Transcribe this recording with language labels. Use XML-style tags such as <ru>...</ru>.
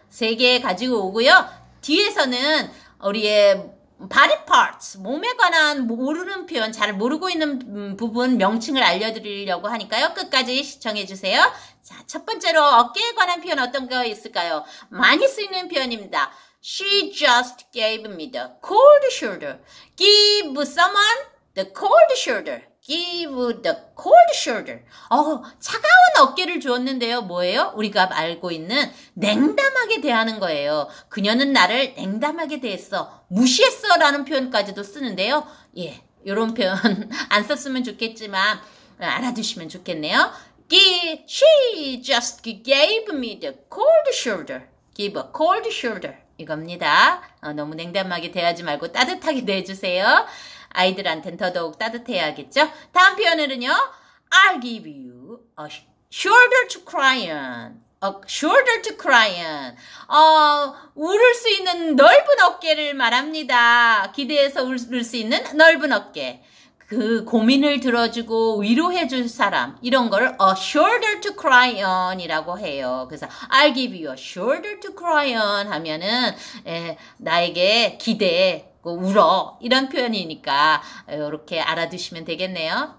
<ko>세개 가지고 오고요. 뒤에서는 우리의 body parts, 몸에 관한 모르는 표현, 잘 모르고 있는 부분 명칭을 알려드리려고 하니까요. 끝까지 시청해주세요. 자, 첫 번째로 어깨에 관한 표현 어떤 거 있을까요? 많이 쓰이는 표현입니다.</ko> <en>She just gave me the cold shoulder. Give someone the cold shoulder. Give the cold shoulder.</en> <ko>차가운 어깨를 주었는데요. 뭐예요? 우리가 알고 있는 냉담하게 대하는 거예요. 그녀는 나를 냉담하게 대했어. 무시했어. 라는 표현까지도 쓰는데요. 예, 요런 표현 안 썼으면 좋겠지만, 알아두시면 좋겠네요.</ko> <en>She just gave me the cold shoulder. Give a cold shoulder. 이겁니다.</en> <ko>너무 냉담하게 대하지 말고 따뜻하게 대해주세요. 아이들한텐 더더욱 따뜻해야겠죠?</ko> <en>다음 표현으로는요, I'll give you a shoulder to cry on. A shoulder to cry on.</en> <ko>울을 수 있는 넓은 어깨를 말합니다. 기대해서 울수 있는 넓은 어깨. 그 고민을 들어주고 위로해줄 사람. 이런 걸 a shoulder to cry on 이라고 해요. 그래서 I'll give you a shoulder to cry on 하면은, 나에게 기대해. 울어. 이런 표현이니까, 이렇게 알아두시면 되겠네요.</ko>